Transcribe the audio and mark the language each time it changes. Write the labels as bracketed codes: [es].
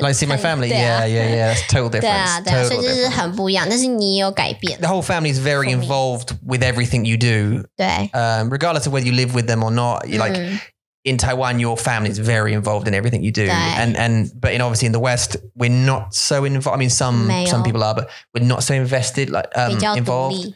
[en] Like see my family, yeah, that's total difference. [zh] 对啊，对啊，所以就是很不一样，但是你也有改变。The [en] whole family is very involved with everything you do. [zh] 对。Regardless [en] of whether you live with them or not, like in Taiwan, your family is very involved in everything you do. But in obviously in the West, we're not so involved. I mean, some people are, but we're not so invested, like involved.